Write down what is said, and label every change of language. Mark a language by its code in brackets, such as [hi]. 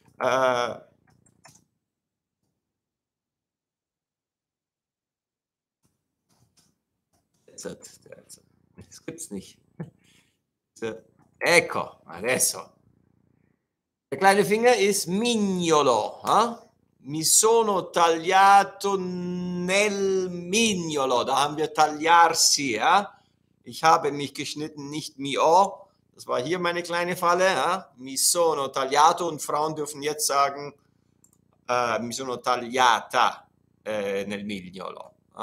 [de] Das gibt's nicht. [it] Ecco, adesso. [de] Der kleine Finger ist mignolo. [it] Mi sono tagliato nel mignolo. [de] Da haben wir tagliarsi. Ich habe mich geschnitten, nicht mio. Das war hier meine kleine Falle. [it] Mi sono tagliato [de] und Frauen dürfen jetzt sagen, [it] mi sono tagliata nel mignolo.